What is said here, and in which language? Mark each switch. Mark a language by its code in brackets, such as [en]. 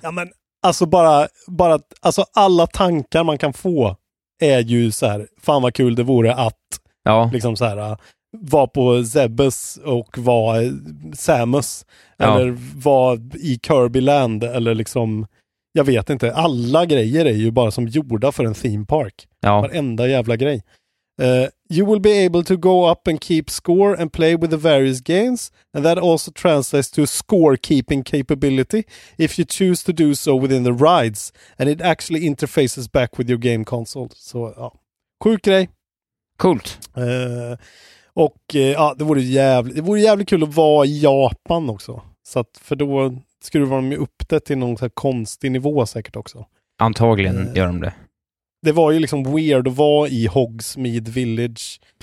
[sv] Ja, men alltså bara alltså alla tankar man kan få är ju så här, fan vad kul det vore att liksom så här vara på Zebes och vara Samus eller vara i Kirby Land eller liksom, jag vet inte, alla grejer är ju bara som gjorda för en theme park. Ja. Varenda jävla grej. [en] You will be able to go up and keep score and play with the various games, and that also translates to scorekeeping capability if you choose to do so within the rides, and it actually interfaces back with your game console. [sv] Så ja, cool grej. Coolt. Och det vore jävligt kul att vara i Japan också. Så att, för då skruvar de ju upp det till någon så här konstig nivå säkert också. Antagligen gör de det. Det var ju liksom weird att vara i Hogsmeade Village.